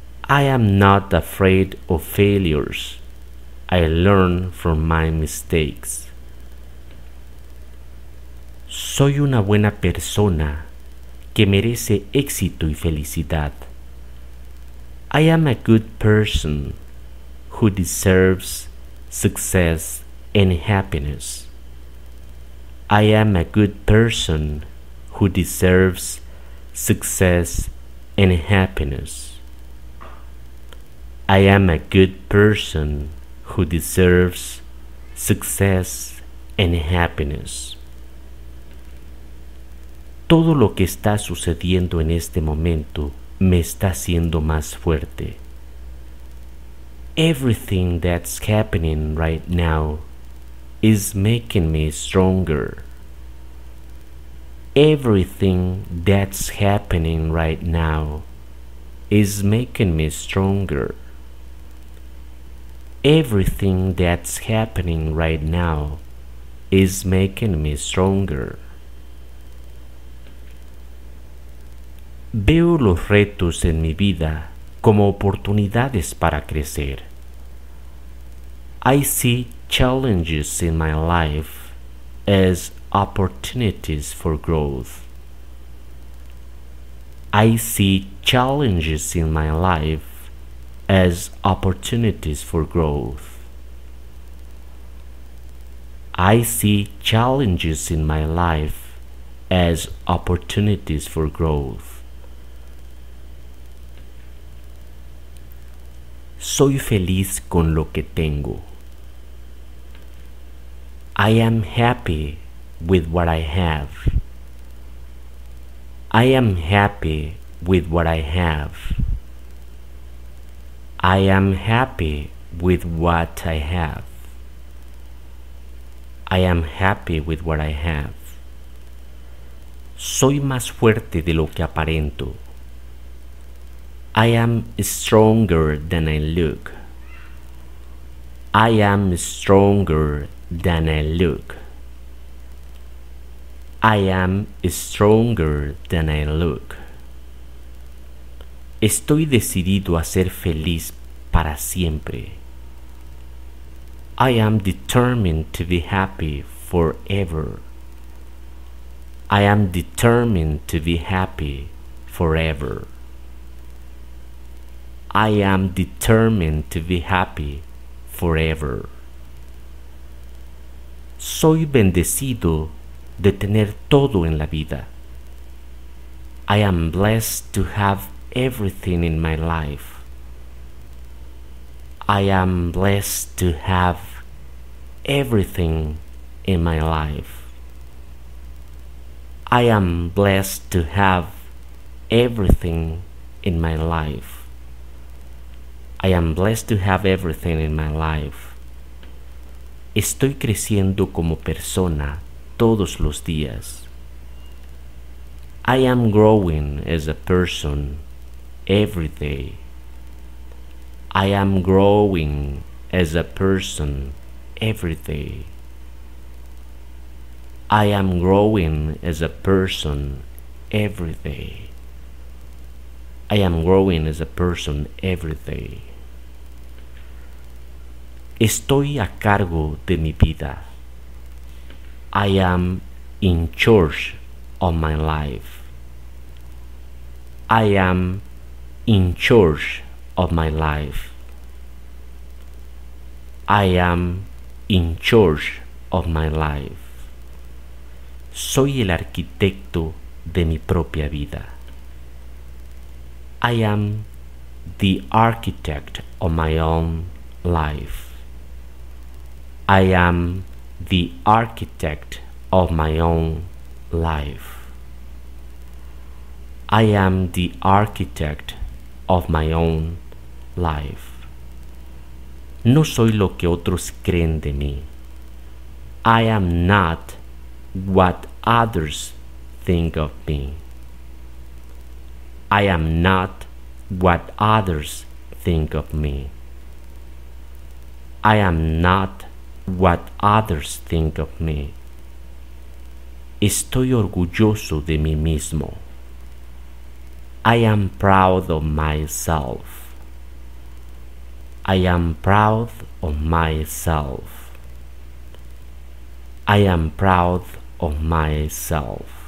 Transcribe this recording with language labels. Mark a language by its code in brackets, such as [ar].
[en] I am not afraid of failures. I learn from my mistakes. [es] Soy una buena persona que merece éxito y felicidad. [en] I am a good person who deserves success and happiness. I am a good person who deserves success and happiness. I am a good person who deserves success and happiness. [es] Todo lo que está sucediendo en este momento me está haciendo más fuerte. [en] Everything that's happening right now is making me stronger. Everything that's happening right now is making me stronger. Everything that's happening right now is making me stronger. [es] Veo los retos en mi vida como oportunidades para crecer. [en] I see challenges in my life as opportunities for growth. I see challenges in my life as opportunities for growth. I see challenges in my life as opportunities for growth. [es] Soy feliz con lo que tengo. [en] I am happy with what I have. I am happy with what I have. I am happy with what I have. I am happy with what I have. [es] Soy más fuerte de lo que aparento. [en] I am stronger than I look. I am stronger than I look. I am stronger than I look. [es] Estoy decidido a ser feliz para siempre. [en] I am determined to be happy forever. I am determined to be happy forever. I am determined to be happy forever. [es] Soy bendecido de tener todo en la vida. [en] I am blessed to have everything in my life. I am blessed to have everything in my life. I am blessed to have everything in my life. I am blessed to have everything in my life. [es] Estoy creciendo como persona todos los días. [en] I am growing as a person every day. I am growing as a person every day. I am growing as a person every day. I am growing as a person every day. [es] Estoy a cargo de mi vida. [en] I am in charge of my life. I am in charge of my life. I am in charge of my life. [es] Soy el arquitecto de mi propia vida. [en] I am the architect of my own life. I am the architect of my own life. I am the architect of my own life. [es] No soy lo que otros creen de mí. [en] I am not what others think of me. I am not what others think of me. I am not what others think of me. [es] Estoy orgulloso de mí mismo. [en] I am proud of myself. I am proud of myself. I am proud of myself.